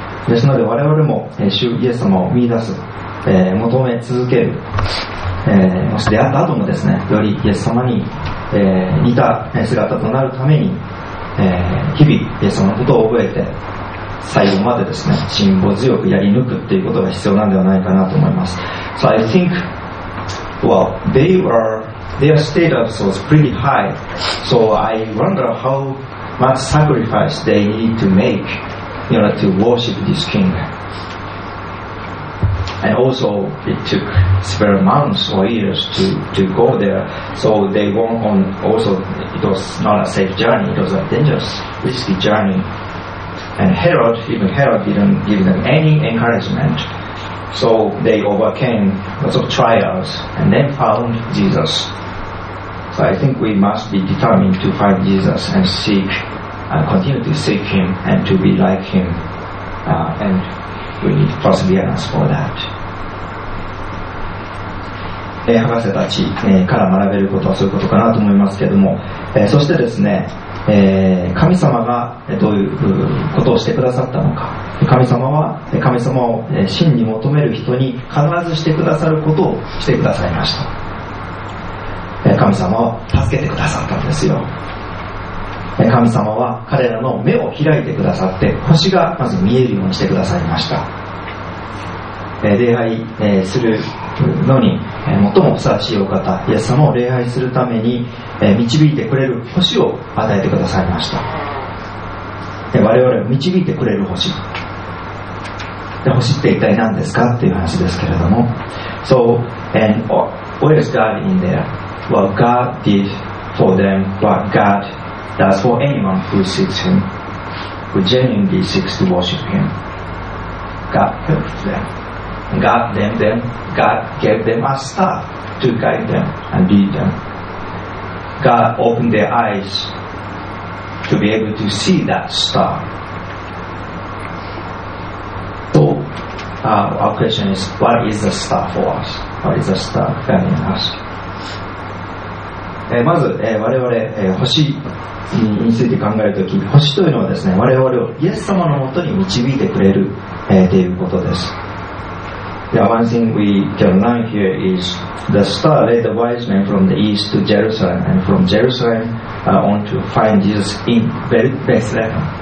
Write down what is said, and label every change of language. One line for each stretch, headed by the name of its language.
Japanese: ですので我々も主イエス様を見出す、求め続ける、もし出会った後もですね、よりイエス様に、似た姿となるために、日々イエス様のことを覚えて最後までですね、辛抱強くやり抜くっていうことが必要なんではないかなと思います。
English: So I think, well, their status was pretty high, so I wonder how much sacrifice they need to make in order to worship this king. And also, it took several months or years to go there. So they went on, also, it was not a safe journey. It was a dangerous, risky journey. And Herod, even Herod didn't give them any encouragement. So they overcame lots of trials and then found Jesus. So I think we must be determined to find Jesus and seek, and continue to seek him and to be like him. And we need perseverance for that.
Japanese: 博士たちから学べることはそういうことかなと思いますけれども、そしてですね、神様がどういうことをしてくださったのか、神様は神様を真に求める人に必ずしてくださることをしてくださいました。神様は助けてくださったんですよ。神様は彼らの目を開いてくださって、星がまず見えるようにしてくださいました。礼拝するのに最もふさわしいお方、イエス様を礼拝するために導いてくれる星を与えてくださいました。で、我々を導いてくれる星。で、星って一体何ですかっていう話ですけれども。
English: So, and what is God in there? Well, God did for them what God does for anyone who seeks Him, who genuinely seeks to worship Him. God helped them. God named them, God gave them a star to guide them and lead them. God opened their eyes to be able to see that star. So, our question is, what is the star for us? What is the star guiding us?
Japanese: まず、我々、星について考えるとき、星というのはですね、我々をイエス様のもとに導いてくれる、ということです。
English: Yeah, one thing we can learn here is the star led the wise men from the east to Jerusalem and from Jerusalem on to find Jesus in Bethlehem.